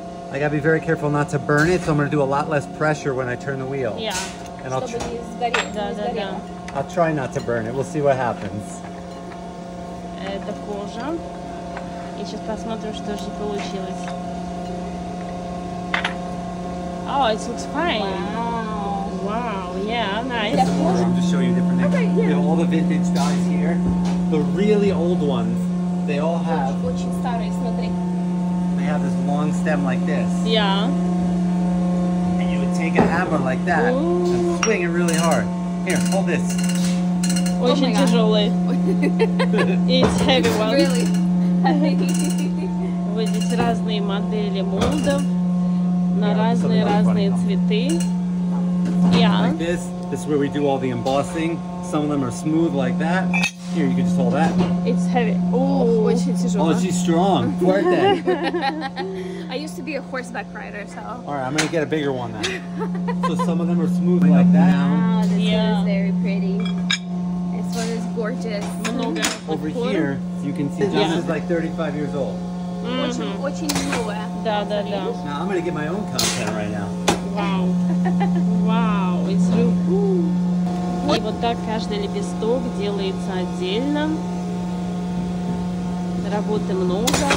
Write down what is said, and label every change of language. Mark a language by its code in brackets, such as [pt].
[en] I gotta be very careful not to burn it, so I'm gonna do a lot less pressure when I turn the wheel. Yeah. And I'll try not to burn it. We'll see what happens. [ru] Это кожа. И сейчас посмотрим, что же получилось. [en] Oh, it looks fine. Wow. Yeah. Nice. Room to show you different things. Okay, yeah. We have all the vintage dyes here, the really old ones. They all have. [ru] Очень старые, смотри. [en] They have this long stem like this. Yeah. And you would take a hammer like that Ooh. And swing it really hard. Here, hold this. Oh my God. It's heavy one. Really? [ru] Вот здесь разные модели молдов на разные цветы. [en] Yeah. Like this. This is where we do all the embossing. Some of them are smooth like that. Here, you can just hold that. It's heavy. Oh, [ru] очень тяжело. [en] Oh, she's strong. [es] Fuerte. [en] I used to be a horseback rider, so. All right, I'm gonna get a bigger one then. So some of them are smooth like that. Wow, this one is very pretty. This one is gorgeous. [ru] Много. [en] Over here, you can see John is like 35 years old. Mm-hmm. [ru] Очень новая. Да, да, да. [en] Now I'm gonna get my own content right now. Wow. Wow, it's so cool. [ru] И вот так каждый лепесток делается отдельно. Работы много.